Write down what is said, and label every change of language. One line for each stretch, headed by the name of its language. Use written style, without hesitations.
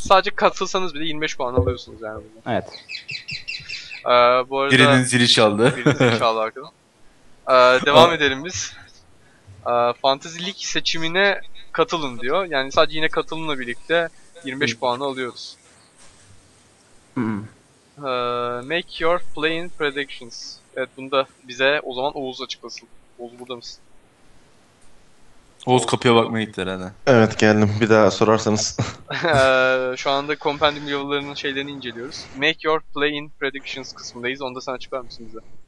Turkish: Sadece katılsanız bile 25 puan alıyorsunuz yani bundan. Evet. Bu arada Birinin zili birinin zili çaldı. çaldı arkadan. Devam edelim biz. Fantasy League seçimine katılın diyor. Yani sadece yine katılımla birlikte 25 puanı alıyoruz.
English: Make your play-in predictions.
Turkish: Evet, bunu da bize o zaman Oğuz açıklasın. Oğuz, burada mısın? Oğuz kapıya bakmaya gitti herhalde. Evet, geldim. Bir daha sorarsanız. Şu anda compendium level'larının şeylerini inceliyoruz.
English: Make your play-in predictions
Turkish: kısmındayız. Onu da sen açıklar mısın bize?